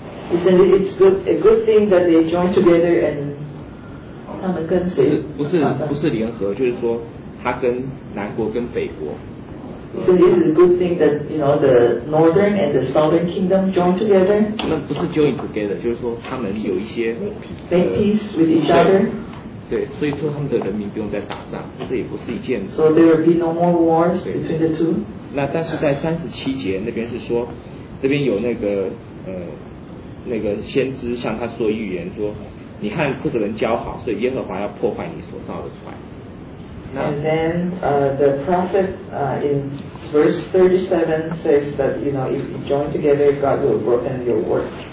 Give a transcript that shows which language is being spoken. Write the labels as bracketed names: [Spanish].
[English] Isn't it a good thing that they join together and [Chinese] 他们跟谁不是联合，就是说他跟南国跟北国。 [English] Isn't it a good thing that you know the northern and the southern kingdom join together? [Chinese] 那不是 [English] join together， [Chinese] 就是说他们有一些 [English] make peace with each other。 [Chinese] 对，所以说他们的人民不用再打仗，这也不是一件。 [English] So there will be no more wars between the two. [Chinese] 那但是在37节那边是说，这边有那个先知向他说预言说，你和这个人交好，所以耶和华要破坏你所造的船。 [English] And then the prophet in verse 37 says that you know if you join together, God will broken your work.